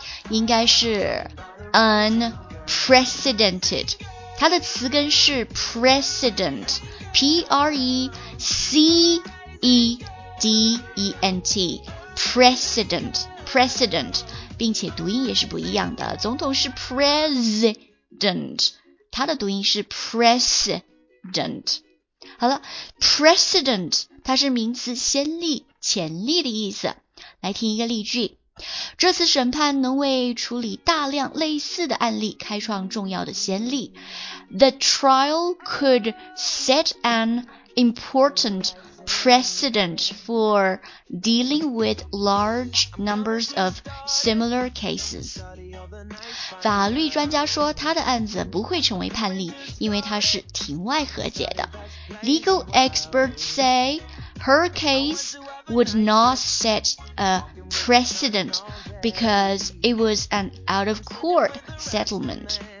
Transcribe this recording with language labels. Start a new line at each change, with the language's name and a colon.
Chinese: 应该是 unprecedented， 它的词根是 precedent， p-r-e-c-e-d-e-n-t precedent precedent， 并且读音也是不一样的，总统是 president， 它的读音是 precedent。好了， precedent 它是名词，先例前例的意思。来听一个例句，这次审判能为处理大量类似的案例开创重要的先例。
English: The trial could set an important precedent for dealing with large numbers of similar cases。
Chinese: 法律专家说他的案子不会成为判例，因为他是庭外和解的。
English: Legal experts say her case would not set aprecedent because it was an out of court settlement。